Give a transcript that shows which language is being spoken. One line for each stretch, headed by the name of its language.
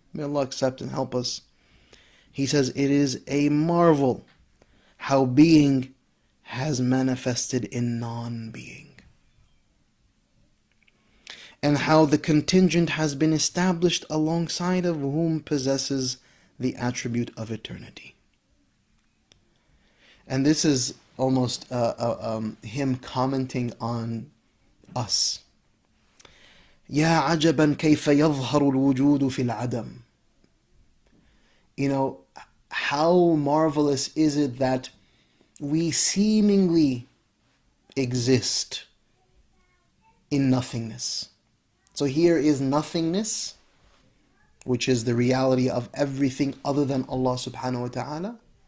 English: May Allah accept and help us. He says, "It is a marvel how being has manifested in non-being, and how the contingent has been established alongside of whom possesses the attribute of eternity." And this is almost him commenting on us.
Arabic: يا عجبا كيف يظهر الوجود في العدم.
English: How marvelous is it that we seemingly exist in nothingness? So here is nothingness, which is the reality of everything other than Allah subhanahu wa ta'ala.